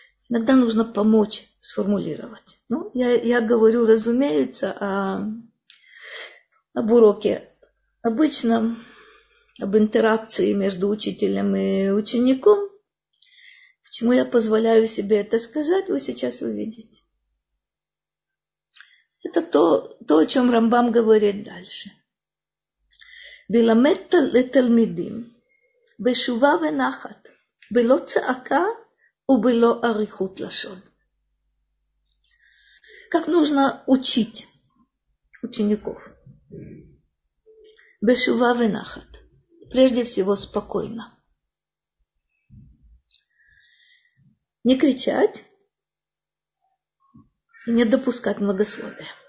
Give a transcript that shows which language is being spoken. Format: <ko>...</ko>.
<ru>Иногда нужно помочь сформулировать. Ну, я говорю, разумеется, об уроке обычном, об интеракции между учителем и учеником. Почему я позволяю себе это сказать, вы сейчас увидите. Это то, о чем Рамбам говорит дальше.</ru> <he>וילמד לתלמידים בשובה ונחת, בלא צעקה ובלא אריכות לשון.</he> <ru>Как нужно учить учеников?</ru> <he>בשובה ונחת.</he> <ru>Прежде всего, спокойно. Не кричать, не допускать многословия.</ru>